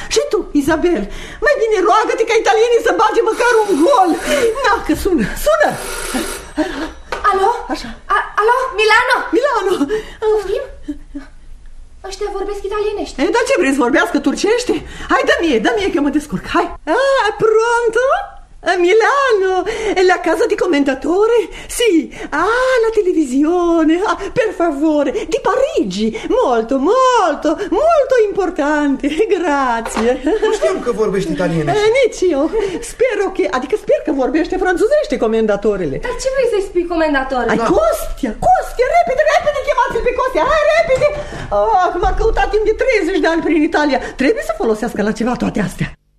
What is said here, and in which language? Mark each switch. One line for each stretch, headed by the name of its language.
Romanian: Și tu, Izabel, mai bine roagă-te ca italienii să bage măcar un gol. Na, că sună. Alo? Așa. Alo, Milano? Milano. Auzim? Ăștia vorbesc italienește. Dar ce vrei să vorbească turcește? Hai, dă-mi e că mă descurc, hai.
Italian: Pronto? Milano, la casa di commentatore? Sì, la televisione, per favore, di Parigi, molto, molto, molto importante, grazie.
Romanian: Non știam că vorbești italienește. Nici eu, spero că vorbește franzuzește commentatorele. Dar ce vrei să-i spui commentatorele? Costia, repede, chemați lasă pe Costea, hai repede. Oh, m-a căutat timp de 30 de ani prin Italia. Trebuie să folosească la ceva toate astea.